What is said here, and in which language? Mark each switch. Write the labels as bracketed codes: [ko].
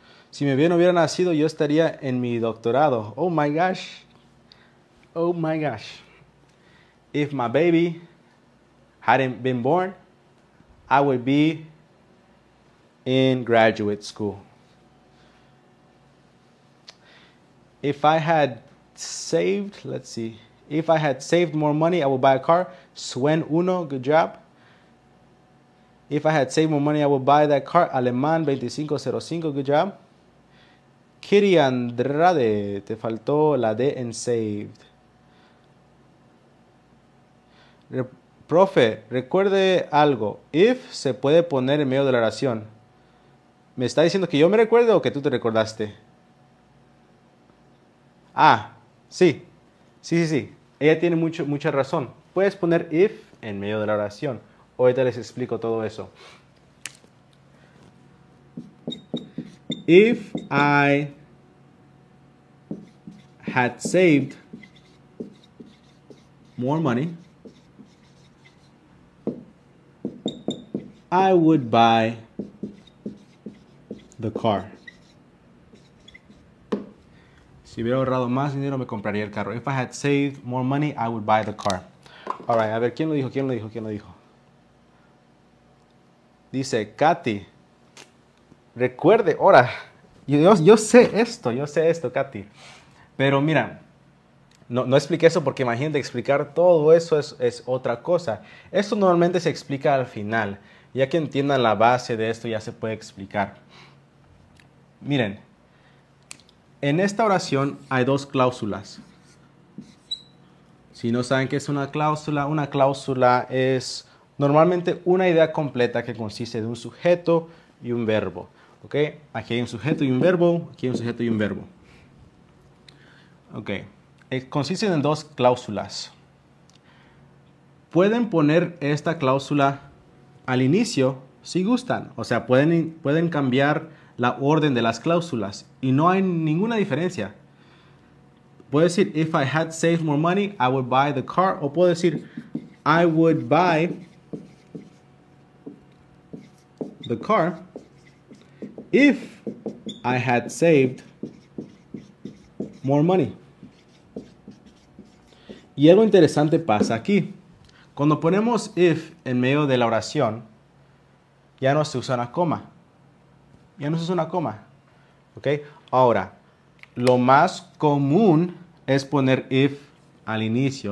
[es] Si mi bien hubiera nacido, yo estaría en mi doctorado. [en] Oh, my gosh. Oh, my gosh. If my baby hadn't been born, I would be in graduate school. If I had saved, let's see. If I had saved more money, I would buy a car. Sven Uno, good job. If I had saved more money, I would buy that car. [es] Alemán 2505, [en] good job. [es] Kitty Andrade, te faltó la D en saved. Profe, recuerde algo. If se puede poner en medio de la oración. ¿Me está diciendo que yo me recuerdo o que tú te recordaste? Ah, sí. Sí, sí, sí. Ella tiene mucha razón. Puedes poner if en medio de la oración. Ahorita les explico todo eso. [en] If I had saved more money, I would buy the car. [es] Si hubiera ahorrado más dinero, me compraría el carro. [en] If I had saved more money, I would buy the car. All right, [es] a ver, ¿quién lo dijo? ¿Quién lo dijo? ¿Quién lo dijo? Dice, Katy, recuerde, ahora, yo sé esto, Katy. Pero mira, no expliqué eso porque imagínate, explicar todo eso es otra cosa. Esto normalmente se explica al final. Ya que entiendan la base de esto, ya se puede explicar. Miren, en esta oración hay dos cláusulas. Si no saben qué es una cláusula es normalmente una idea completa que consiste de un sujeto y un verbo. ¿Okay? Aquí hay un sujeto y un verbo, aquí hay un sujeto y un verbo. Okay. Consiste en dos cláusulas. Pueden poner esta cláusula al inicio si gustan. O sea, pueden cambiar la orden de las cláusulas y no hay ninguna diferencia. Puedo decir, [en] if I had saved more money, I would buy the car. [es] O puedo decir, [en] I would buy the car if I had saved more money. [es] Y algo interesante pasa aquí. Cuando ponemos if en medio de la oración, ya no se usa una coma. Ya no se usa una coma. ¿Okay? Ahora, lo más común es poner if al inicio.